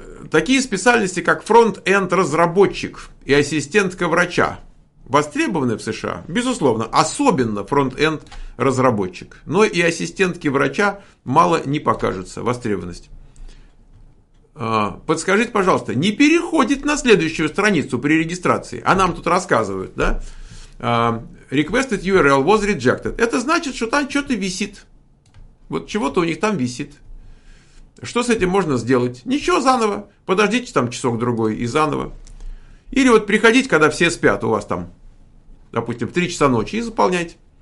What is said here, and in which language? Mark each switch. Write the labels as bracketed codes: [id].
[ru] Такие специальности, как фронт-энд-разработчик и ассистентка врача, востребованы в США? Безусловно, особенно фронт-энд-разработчик. Но и ассистентки врача мало не покажется востребованность. Подскажите, пожалуйста, не переходит на следующую страницу при регистрации, а нам тут рассказывают, да? [en] Requested URL was rejected. [ru] Это значит, что там что-то висит. Вот чего-то у них там висит. Что с этим можно сделать? Ничего, заново. Подождите там часок-другой и заново. Или вот приходить, когда все спят у вас там, допустим, в 3 часа ночи и заполнять.